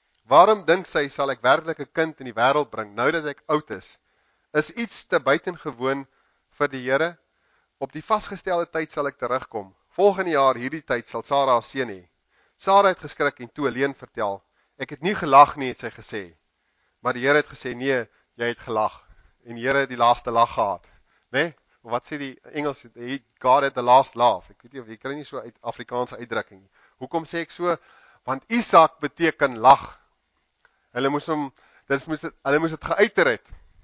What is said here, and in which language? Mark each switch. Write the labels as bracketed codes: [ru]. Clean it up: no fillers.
[af] Waarom dink sy sal ek werklik 'n kind in die wêreld bring nou dat ek oud is? Is iets te buitengewoon vir die Here? Op die vasgestelde tyd sal ek terugkom. Volgende jaar hierdie tyd sal Sara haar seun hê. Sara het geskrik en toe alleen vertel. Ek het nie gelag nie, het sy gesê. Maar die Here het gesê, nee, jy het gelag. En die Here het die laaste lag gehad. Né? Nee? Wat sê die Engels? [en] He got it the last laugh. [af] Ek weet nie of jy kry nie so uit Afrikaanse uitdrukking. Hoekom sê ek so? Want Isak beteken lag. Hulle moes dit geuiter het.